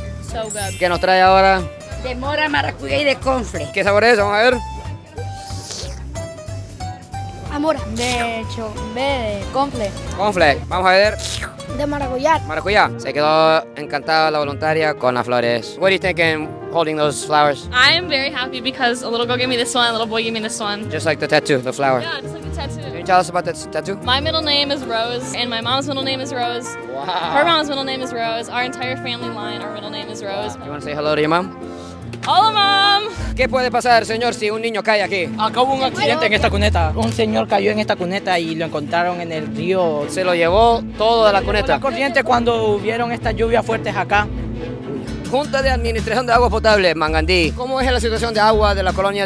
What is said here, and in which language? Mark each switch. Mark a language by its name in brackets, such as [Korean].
[English] So good. [Spanish] ¿Qué nos trae ahora? De mora, maracuyá y de confle. ¿Qué sabor es? Vamos a ver. A mora. De confle. Confle. Vamos a ver. De maracuyá. Maracuyá. Se quedó encantada la voluntaria con las flores. [English] What do you think in holding those flowers? I am very happy because a little girl gave me this one, a little boy gave me this one. Just like the tattoo, the flower. Yeah, just like the tattoo. Can you tell us about that tattoo? My middle name is Rose and my mom's middle name is Rose. Wow. Her mom's middle name is Rose. Our entire family line, our middle name is Rose. You want to say hello to your mom? [Spanish] Hola, mam. ¿Qué puede pasar, señor, si un niño cae aquí? Acabó un accidente en esta cuneta. Un señor cayó en esta cuneta y lo encontraron en el río. Se lo llevó todo de la cuneta. La corriente cuando hubieron estas lluvias fuertes acá. Junta de Administración de Agua Potable, Mangandí. ¿Cómo es la situación de agua de la colonia?